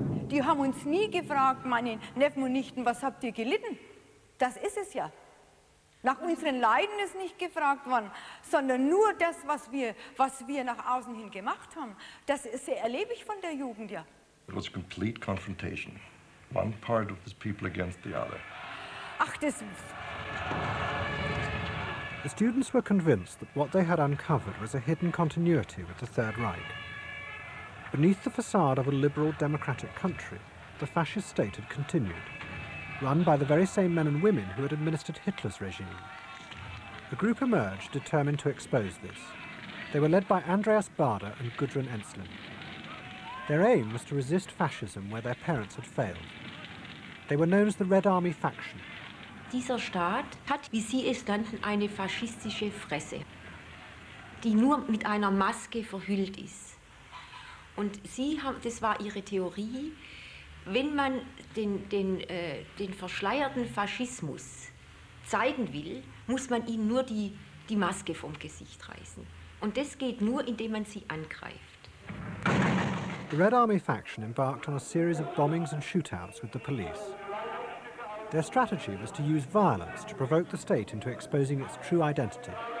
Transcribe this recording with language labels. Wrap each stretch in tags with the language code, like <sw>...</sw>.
<de>Die haben uns nie gefragt, meine Neffen und Nichten, was habt ihr gelitten? Das ist es ja. Nach unseren Leiden ist nicht gefragt worden, sondern nur das, was wir nach außen hin gemacht haben. Das ist sehr erlebig von der Jugend, ja.</de> <en>It was a complete confrontation. One part of this people against the other.</en> <de>Ach, das...</de> <en>The students were convinced that what they had uncovered was a hidden continuity with the Third Reich. Beneath the facade of a liberal democratic country, the fascist state had continued, run by the very same men and women who had administered Hitler's regime. A group emerged determined to expose this. They were led by Andreas Bader and Gudrun Enslin. Their aim was to resist fascism where their parents had failed. They were known as the Red Army faction,</en> <de>Dieser Staat hat, wie Sie es nannten, eine faschistische Fresse, die nur mit einer Maske verhüllt ist. Und Sie haben, das war Ihre Theorie, wenn man den verschleierten Faschismus zeigen will, muss man ihm nur die Maske vom Gesicht reißen. Und das geht nur, indem man sie angreift.</de> <en>The Red Army faction embarked on a series of bombings and shootouts with the police. Their strategy was to use violence to provoke the state into exposing its true identity.</en>